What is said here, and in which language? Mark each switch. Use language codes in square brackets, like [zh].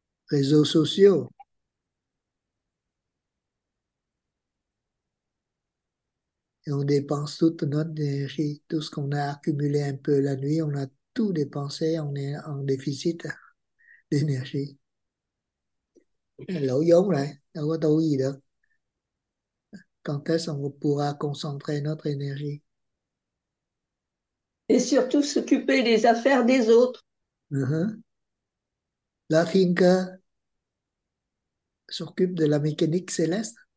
[fr] Réseaux sociaux. Et on dépense toute notre énergie, tout ce qu'on a accumulé un peu la nuit, on a tout dépensé, on est en déficit d'énergie. [vi] Lỗ vốn rồi, đâu có tu gì được. [fr] Quand est-ce qu'on pourra concentrer notre énergie? Et surtout s'occuper des affaires des autres. La thinker s'occupe de la mécanique céleste.